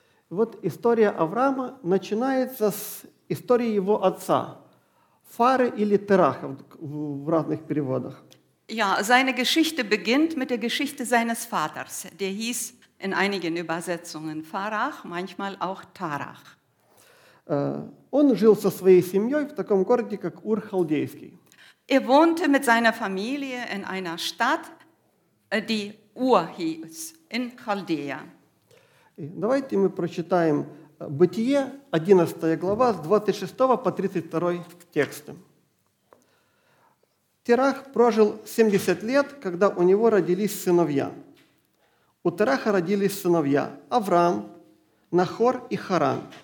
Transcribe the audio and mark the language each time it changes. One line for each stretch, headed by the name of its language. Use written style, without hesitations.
Russian: Вот история Авраама начинается с истории его отца, Фары или Тераха в разных переводах.
German: Ja, seine Geschichte beginnt mit der Geschichte seines Vaters, der hieß in einigen Übersetzungen Фарах, manchmal auch Тарах.
Russian: Он жил со своей семьей в таком городе, как Ур-Халдейский.
German: Er wohnte mit seiner Familie in einer Stadt, die Ur hieß, in Chaldea.
Russian: Давайте мы прочитаем Бытие, 11 глава, с 26 по 32 тексты. Терах прожил 70 лет, когда у него родились сыновья. У Тераха родились сыновья Авраам, Нахор и Харан.